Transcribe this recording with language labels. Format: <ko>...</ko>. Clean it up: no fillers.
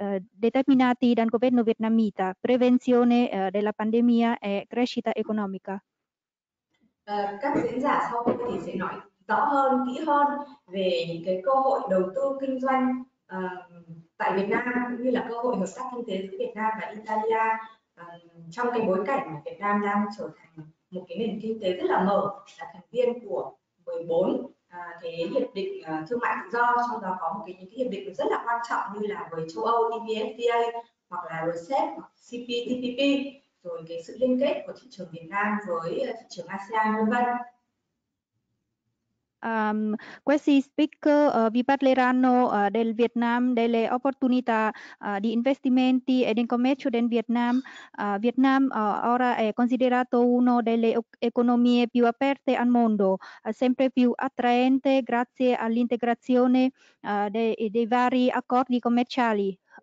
<it>Determinati dal governo vietnamita, prevenzione della pandemia e crescita economica.</it> <vi>Các diễn giả sau tôi thì sẽ nói rõ hơn, kỹ hơn về những cái cơ hội đầu tư kinh doanh tại Việt Nam, cũng như là cơ hội hợp tác kinh tế giữa Việt Nam và Italia trong cái bối cảnh mà Việt Nam đang trở thành một cái nền kinh tế rất là mở, là thành viên của 14 cái hiệp định thương mại tự do, trong đó có một cái những cái hiệp định rất là quan trọng như là với châu Âu EVFTA, hoặc là RCEP, hoặc CPTPP, rồi cái sự liên kết của thị trường Việt Nam với thị trường ASEAN, vân vân.</vi> <it>Questi speaker vi parleranno del Vietnam, delle opportunità di investimenti e del commercio del Vietnam. Vietnam ora è considerato una delle economie più aperte al mondo, sempre più attraente grazie all'integrazione dei vari accordi commerciali.</it>